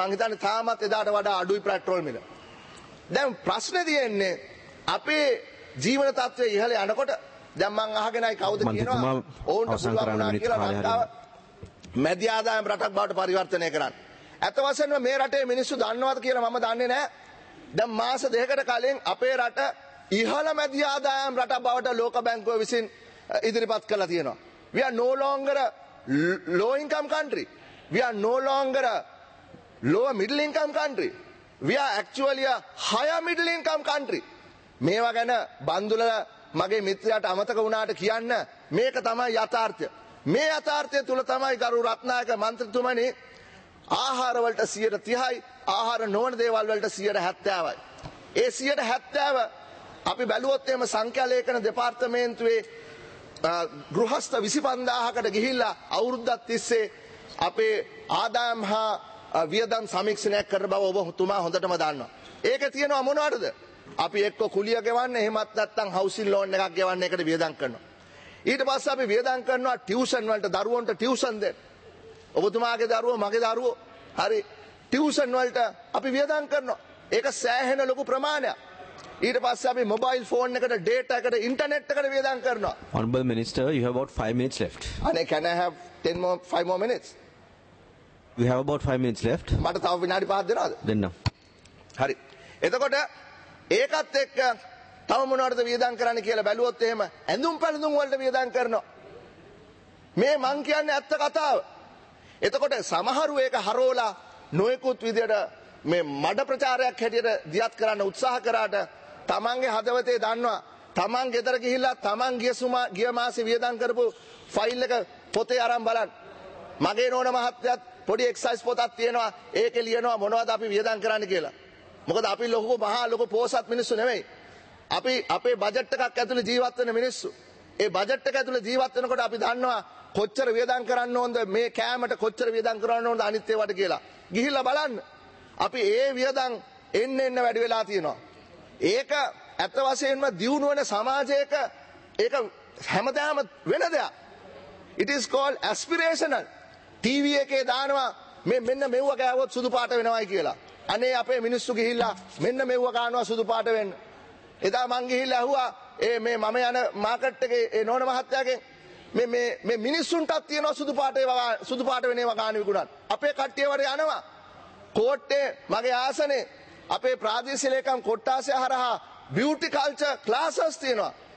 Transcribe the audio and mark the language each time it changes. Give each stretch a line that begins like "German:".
Sinhala: මං හිතන්නේ තාමත් එදාට වඩා අඩුයි පෙට්‍රෝල් මිල. දැන් ප්‍රශ්නේ තියෙන්නේ අපේ ජීවන තත්ත්වය ඉහළ යනකොට දැන් මං අහගෙනයි කවුද කියනවා ඕන්ට පුළුවන් වුණා කියලා රටාව මැදි ආදායම් රටක් බවට පරිවර්තනය කරන්න. අත වශයෙන්ම මේ රටේ මිනිස්සු දන්නවද කියලා මම දන්නේ නැහැ. දැන් මාස දෙකකට කලින් අපේ රට ඉහළ මැදි ආදායම් රටක් බවට ලෝක බැංකුව විසින් ඉදිරිපත් කළා තියෙනවා.
English: We are no longer low income country. We are no longer low middle income country. We are actually a higher middle income country.
Sinhala: මේවා ගැන බන්දුල මගේ මිත්‍රයාට අමතක වුණාට කියන්න මේක තමයි යථාර්ථය. මේ යථාර්ථය තුල තමයි ගරු රත්නායක මන්ත්‍රීතුමනි ආහාර වලට 30%යි ආහාර නොවන දේවල් වලට 70%යි. ඒ 70% අපි බැලුවොත් එහෙම සංඛ්‍යා ලේකන දෙපාර්තමේන්තුවේ ගෘහස්ථ 25,000කට ගිහිල්ලා අවුරුද්දක් තිස්සේ අපේ ආදායම් හා වියදම් සමීක්ෂණයක් කර බව ඔබතුමා හොඳටම දන්නවා. ඒක තියෙනවා මොනවටද? අපි එක්ක කුලිය ගෙවන්න එහෙමත් නැත්නම් හවුසින් ලෝන් එකක් ගෙවන්න එකට වියදම් කරනවා. ඊට පස්සේ අපි වියදම් කරනවා ටියුෂන් වලට දරුවන්ට ටියුෂන් දෙන්න. ඔබතුමාගේ දරුවෝ මගේ දරුවෝ හරි ටියුෂන් වලට අපි වියදම් කරනවා. ඒක සෑහෙන ලොකු ප්‍රමාණයක්. ඊට පස්සේ අපි මොබයිල් ෆෝන් එකකට ඩේටා එකකට ඉන්ටර්නෙට් එකකට වියදම් කරනවා.
English: Honorable Minister, you have about 5 minutes left. And can I have 10 more 5 more minutes? We have about 5 minutes left.
Sinhala: මට තව විනාඩි 5ක් දෙනවද? දෙන්නම්. හරි. එතකොට ඒකත් එක්ක තව මොනවද වියදම් කරන්න කියලා බැලුවොත් එහෙම ඇඳුම් පැළඳුම් වලට වියදම් කරනවා. මේ මං කියන්නේ ඇත්ත කතාව. එතකොට සමහරු ඒක හරෝලා නොයෙකුත් විදියට මේ මඩ ප්‍රචාරයක් හැටියට දියත් කරන්න උත්සාහ කරාට තමන්ගේ හදවතේ දන්නවා තමන් ගෙදර ගිහිල්ලා තමන් ගිය මාසේ වියදම් කරපු ෆයිල් එක පොතේ අරන් බලන්න. මගේ නෝන මහත්තයාත් පොඩි එක්සයිස් පොතක් තියෙනවා. ඒකේ ලියනවා මොනවද අපි වියදම් කරන්න කියලා. මොකද අපි ලොකු මහා ලොකු පෝසත් මිනිස්සු නෙමෙයි. අපි අපේ බජට් එකක් ඇතුලේ ජීවත් වෙන මිනිස්සු. ඒ බජට් එක ඇතුලේ ජීවත් වෙනකොට අපි දන්නවා කොච්චර වියදම් කරන්න ඕනද, මේ කෑමට කොච්චර වියදම් කරන්න ඕනද අනිත් ඒවාට කියලා. ගිහිල්ලා බලන්න. අපි ඒ වියදම් එන්න එන්න වැඩි වෙලා තියෙනවා. ඒක ඇත්ත වශයෙන්ම දියුණු වෙන සමාජයක ඒක හැමදාම වෙන දෙයක්.
English: It is called aspirational.
Sinhala: TV එකේ දානවා මේ මෙන්න මෙව්ව ගෑවොත් සුදු පාට වෙනවයි කියලා. අනේ අපේ මිනිස්සු ගිහිල්ලා මෙන්න මෙව්ව ගන්නවා සුදු පාට වෙන්න. එදා මං ගිහිල්ලා අහුවා ඒ මේ මම යන මාකට් එකේ ඒ නෝන මහත්තයාගෙන් මේ මේ මේ මිනිස්සුන්ටත් තියෙනවා සුදු පාට වෙනේවා ගන්න විගුණත් අපේ කට්ටිය වර යනවා කෝට්ටේ මගේ ආසනේ අපේ ප්‍රාදේශීය ලේකම් කොට්ටාසය හරහා බියුටි කල්චර් ක්ලාසස් තියෙනවා.